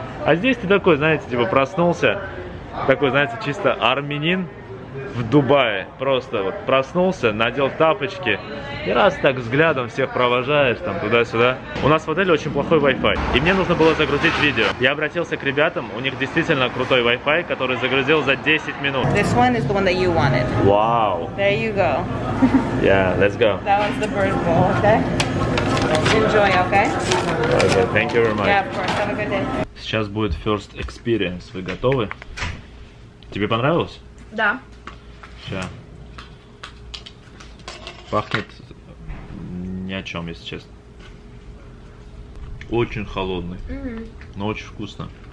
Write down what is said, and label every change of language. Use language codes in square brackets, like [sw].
[ru] А здесь ты такой, знаете, типа проснулся, такой, знаете, чисто армянин в Дубае, просто вот проснулся, надел тапочки и раз так взглядом всех провожаешь там туда-сюда. У нас в отеле очень плохой Wi-Fi, и мне нужно было загрузить видео. Я обратился к ребятам, у них действительно крутой Wi-Fi, который загрузил за 10 минут. [en] This one is the one that you wanted. Wow. There you go. Yeah, let's go. That was the bird bowl, okay? Enjoy, okay? Okay, thank you very much. Yeah, of course. Have a good day. [ru] Сейчас будет [en] first experience. [ru] Вы готовы? Тебе понравилось? Да. Сейчас. Пахнет ни о чем, если честно. Очень холодный, но очень вкусно.